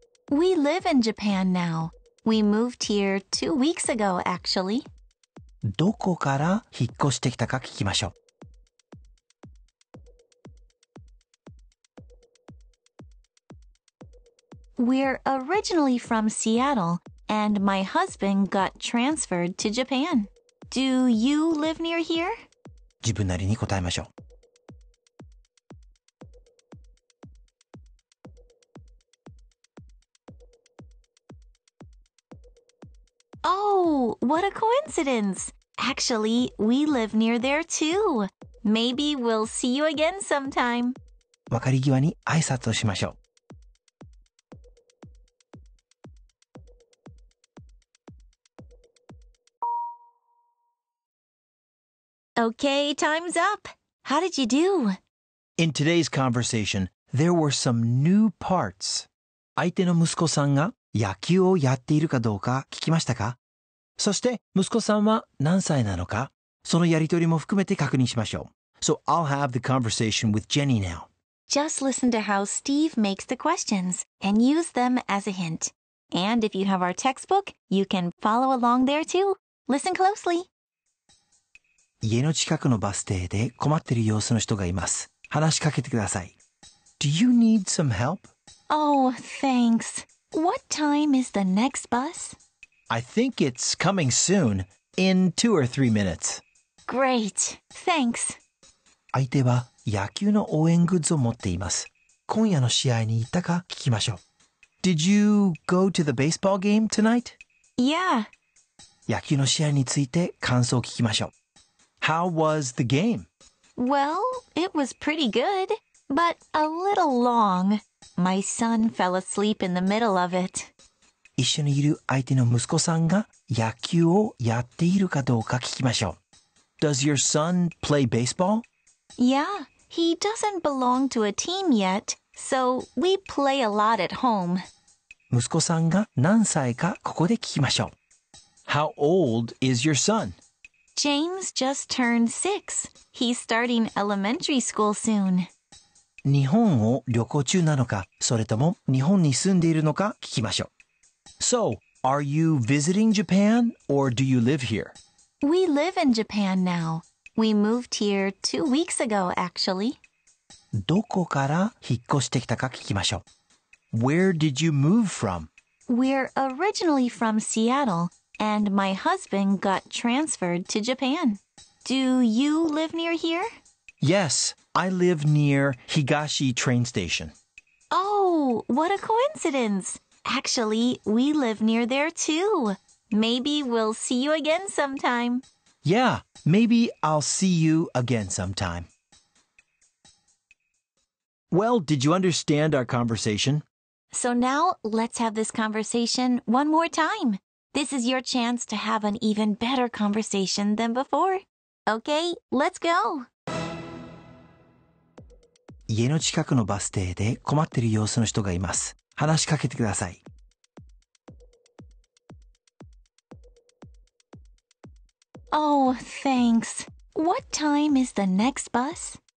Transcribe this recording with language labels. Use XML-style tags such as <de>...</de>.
<en>We live in Japan now. We moved here 2 weeks ago, actually.</en> <ja>どこから引っ越してきたか聞きましょう。</ja> <en>We're originally from Seattle, and my husband got transferred to Japan. Do you live near here?</en> <ja>自分なりに答えましょう。</ja> <en>Oh, what a coincidence! Actually, we live near there too. Maybe we'll see you again sometime.</en> <ja>別れ際に挨拶をしましょう。</ja> <en>Okay, time's up. How did you do? In today's conversation, there were some new parts.</en> <ja>相手の息子さんが野球をやっているかどうか聞きましたか？そして息子さんは何歳なのか？そのやりとりも含めて確認しましょう。</ja> <en>So I'll have the conversation with Jenny now. Just listen to how Steve makes the questions and use them as a hint. And if you have our textbook, you can follow along there too. Listen closely.</en> <ja>家の近くのバス停で困っている様子の人がいます。話しかけてください。</ja> <en>Do you need some help? Oh, thanks. What time is the next bus? I think it's coming soon, in 2 or 3 minutes. Great. Thanks.</en> <ja>相手は野球の応援グッズを持っています。今夜の試合に行ったか聞きましょう。</ja> <en>Did you go to the baseball game tonight? Yeah.</en> <ja>野球の試合について感想を聞きましょう。</ja> <en>How was the game? Well, it was pretty good, but a little long. My son fell asleep in the middle of it.</en> <ja>一緒にいる相手の息子さんが野球をやっているかどうか聞きましょう。</ja> <en>Does your son play baseball? Yeah, he doesn't belong to a team yet, so we play a lot at home.</en> <ja>息子さんが何歳かここで聞きましょう。</ja> <en>How old is your son? James just turned 6. He's starting elementary school soon.</en> <ja>日本を旅行中なのか、それとも日本に住んでいるのか聞きましょう。</ja> <en>So, are you visiting Japan or do you live here? We live in Japan now. We moved here 2 weeks ago, actually.</en> <ja>どこから引っ越してきたか聞きましょう。</ja> <en>Where did you move from? We're originally from Seattle, and my husband got transferred to Japan. Do you live near here? Yes, I live near Higashi train station. Oh, what a coincidence! Actually, we live near there too. Maybe we'll see you again sometime. Yeah, maybe I'll see you again sometime. Well, did you understand our conversation? So now, let's have this conversation one more time. This is your chance to have an even better conversation than before. Okay, let's go!</en> <ja>家の近くのバス停で困ってる様子の人がいます。話しかけてください。</ja> <en>Oh, thanks. What time is the next bus?</en>